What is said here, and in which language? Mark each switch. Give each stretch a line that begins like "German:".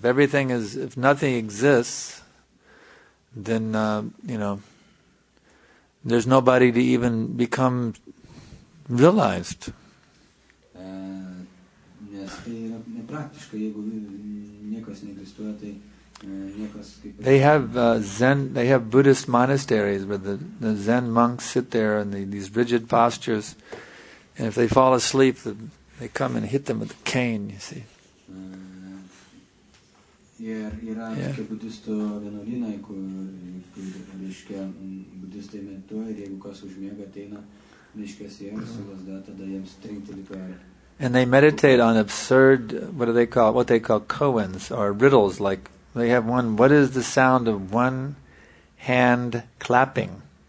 English: If nothing exists, then there's nobody to even become realized.
Lithuanian: Nes tai yra nepraktiška, jeigu niekas neegzistuoja, tai
English: They have Zen. They have Buddhist monasteries where the Zen monks sit there in these rigid postures, and if they fall asleep, they come and hit them with a cane. You see. And they meditate on absurd, what they call koans or riddles, like they have one, what is the sound of one hand clapping?